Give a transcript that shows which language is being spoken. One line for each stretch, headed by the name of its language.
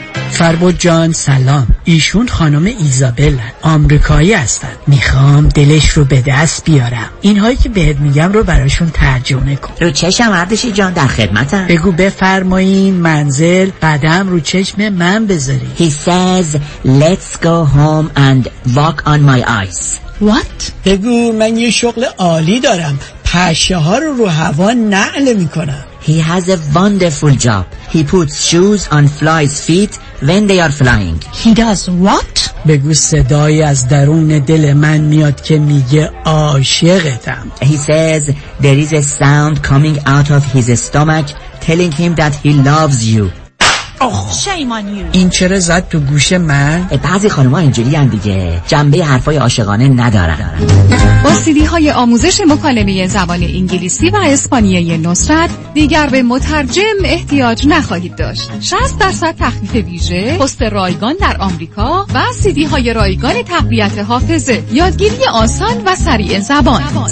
Persian: فربود جان سلام، ایشون خانم ایزابل آمریکایی هستن، میخوام دلش رو به دست بیارم. اینهایی که بهت میگم رو براشون ترجمه کن. رو چشم اردشی جان، در خدمتم. بگو بفرمایین منزل، قدم رو چشم من بذاری.
English: He says let's go home and walk on my eyes. What?
Persian: بگو من یه شغل عالی دارم، پشه ها رو هوا نعل میکنم.
English: He has a wonderful job. He puts shoes on flies' feet when they are flying. He does what?
Persian: بگو صدایی از درون دل من میاد که میگه عاشقتم.
English: He says there is a sound coming out of his stomach telling him that he loves you. Shame on you.
Persian: این چرا زد تو گوش من؟ بعضی خانوما اینجوری هم دیگه، جنبه حرفای عاشقانه ندارن. با سیدی های آموزش مکالمه زبان انگلیسی و اسپانیایی نصرت دیگر به مترجم احتیاج نخواهید داشت. 60% تخفیف ویژه، پست رایگان در آمریکا و سیدی های رایگان تقویت حافظه، یادگیری آسان و سریع زبان.